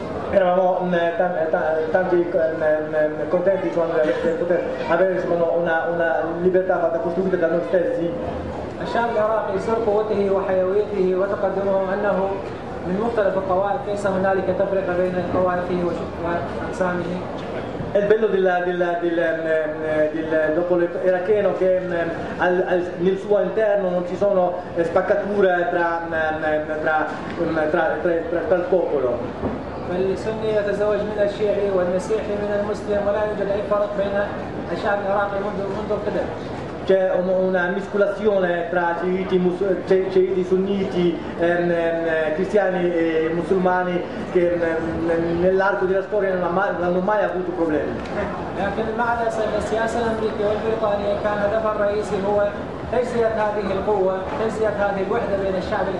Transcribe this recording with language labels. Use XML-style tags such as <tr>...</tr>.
<it>Eravamo tanti contenti di poter avere una libertà fatta costruita da noi stessi.</it> <ar>الشعب العراقي يصير قوته وحيويته وتقدمه أنه من مختلف الطوائف ليس هنالك تفرقة بين طوائفه وأقسامه.</ar> <it>Il bello del popolo iracheno che nel suo interno non ci sono spaccature tra il popolo.</it> <ar>فالسني يتزوج من الشيعي والمسيحي من المسلم ولا يوجد أي فرق بين الشعب العراقي منذ القدم.</ar> <it>C'è una miscolazione tra sciiti sunniti, cristiani e musulmani che nell'arco della storia non hanno mai avuto problemi.</it>